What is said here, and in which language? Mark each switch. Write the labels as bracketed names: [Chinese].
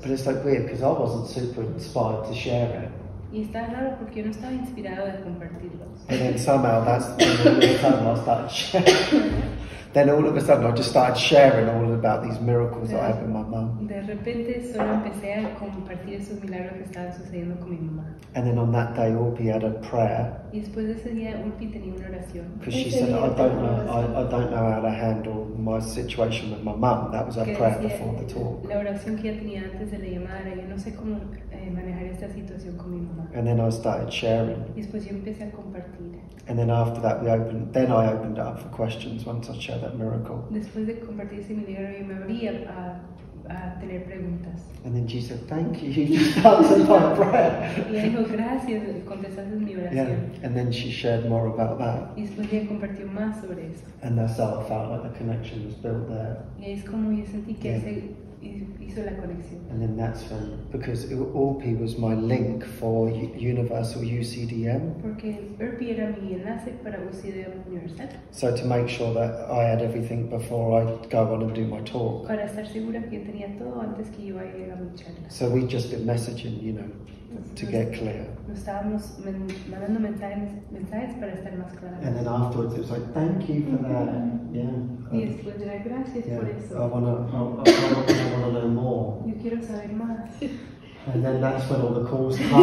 [English] But it's like weird because I wasn't super inspired to share it. [Spanish] Y está raro porque yo no estaba inspirado de compartirlos. [English] And then somehow that's the time I started sharing. Then all of a sudden, I just started sharing all about these miracles that I have in my mom. [Spanish] De repente, solo empecé a compartir esos milagros que estaban sucediendo con mi mamá. [English] And then on that day, Orpi had a prayer. [Spanish] Y después de ese día, Orpi tenía una oración. [English] Because she said, I don't know how to handle my situation with my mom. That was her prayer before the talk. [Spanish] La oración que ella tenía antes de la llamada era, yo no sé cómo manejar esta situación con mi mamá. [English] And then I started sharing. [Spanish] Y después yo empecé a compartir. [English] And then after that, then I opened it up for questions once I shared. That miracle. [Spanish] Después de compartir ese milagro, yo me abrí a tener preguntas. [English] And then she said, "Thank you. You just answered my prayer." [Spanish] Y dijo, "Gracias, contestaste mi oración." [English] Yeah. And then she shared more about that. [Spanish] Y después ella compartió más sobre eso. [English] And that's how I felt like the connection was built there. [Spanish] Y es como yo sentí que se hizo la conexión. [English] And then that's when, because Orpi was my link for Universal UCDM. [Spanish] Porque Orpi era mi enlace para UCDM Universal. [English] So to make sure that I had everything before I go on and do my talk. [Spanish] Para estar segura que tenía todo antes que yo iba a mi charla. [English] So we'd just been messaging, you know. to get clear. [Spanish] Nos estábamos mandando mensajes para estar más claros. [English] And then afterwards it was like, thank you for that. [Spanish] Y después, gracias por eso. [English] I want to learn more. [Spanish] Yo quiero saber más. [English] And then that's when all the calls come.